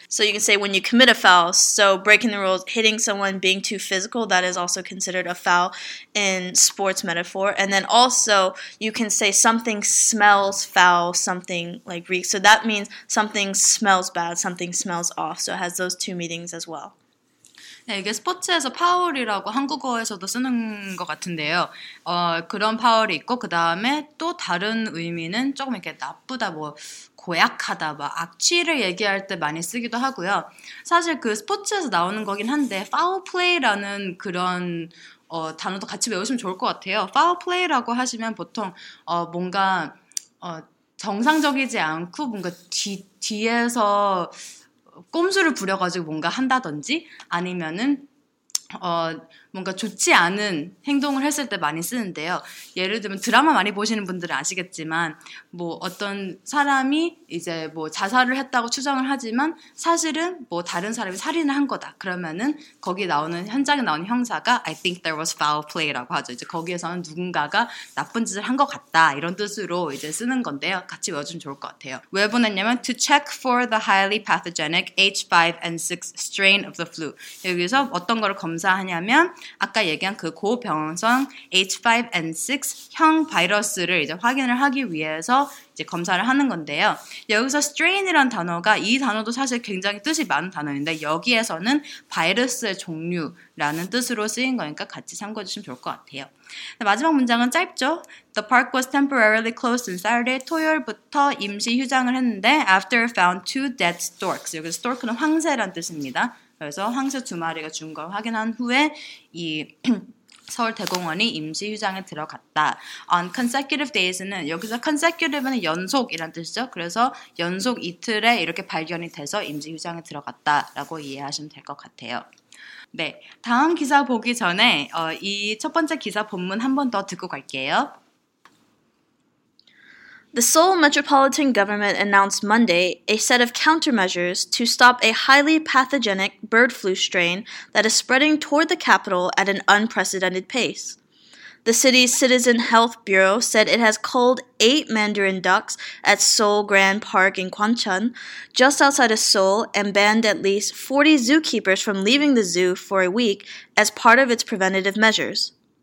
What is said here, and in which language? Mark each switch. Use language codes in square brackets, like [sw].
[en] So you can say when you commit a foul, so breaking the rules, hitting someone, being too physical, that is also considered a foul in sports metaphor. And then also you can say something smells foul, something like reek. So that means something smells bad, something smells off. So it has those two meanings as well. [ko] 네, 이게 스포츠에서 파울이라고 한국어에서도 쓰는 것 같은데요. 그런 파울이 있고 그 다음에 또 다른 의미는 조금 이렇게 나쁘다, 뭐 고약하다, 뭐 악취를 얘기할 때 많이 쓰기도 하고요. 사실 그 스포츠에서 나오는 거긴 한데 파울 플레이라는 그런 단어도 같이 외우시면 좋을 것 같아요. 파울 플레이라고 하시면 보통 뭔가 정상적이지 않고 뭔가 뒤에서 꼼수를 부려가지고 뭔가 한다든지 아니면은 뭔가 좋지 않은 행동을 했을 때 많이 쓰는데요. 예를 들면 드라마 많이 보시는 분들은 아시겠지만 뭐 어떤 사람이 이제 뭐 자살을 했다고 추정을 하지만 사실은 뭐 다른 사람이 살인을 한 거다. 그러면은 거기 나오는 현장에 나오는 형사가 [en] I think there was foul play [ko] 라고 하죠. 이제 거기에서는 누군가가 나쁜 짓을 한 것 같다 이런 뜻으로 이제 쓰는 건데요. 같이 외워주면 좋을 것 같아요. 왜 보냈냐면 [en] to check for the highly pathogenic H5N6 strain of the flu. [ko] 여기서 어떤 거를 검사하냐면 아까 얘기한 그 고병원성 H5N6 형 바이러스를 이제 확인을 하기 위해서 이제 검사를 하는 건데요. 여기서 strain이라는 단어가 이 단어도 사실 굉장히 뜻이 많은 단어인데 여기에서는 바이러스의 종류라는 뜻으로 쓰인 거니까 같이 참고해 주시면 좋을 것 같아요. 마지막 문장은 짧죠? [en] The park was temporarily closed on Saturday, [ko] 토요일부터 임시 휴장을 했는데 [en] after found two dead storks. [ko] 여기서 stork는 황새란 뜻입니다. 그래서 황새 두 마리가 죽은 걸 확인한 후에 이 서울 대공원이 임시 휴장에 들어갔다. [en] On consecutive days [ko] 는 여기서 consecutive는 연속이란 뜻이죠. 그래서 연속 이틀에 이렇게 발견이 돼서 임시 휴장에 들어갔다라고 이해하시면 될 것 같아요. 네, 다음 기사 보기 전에 이 첫 번째 기사 본문 한 번 더 듣고 갈게요. [en] The Seoul Metropolitan Government announced Monday a set of countermeasures to stop a highly pathogenic bird flu strain that is spreading toward the capital at an unprecedented pace. The city's Citizen Health Bureau said it has culled 8 Mandarin ducks at Seoul Grand Park in Gwancheon, just outside of Seoul, and banned at least 40 zookeepers from leaving the zoo for a week as part of its preventative measures.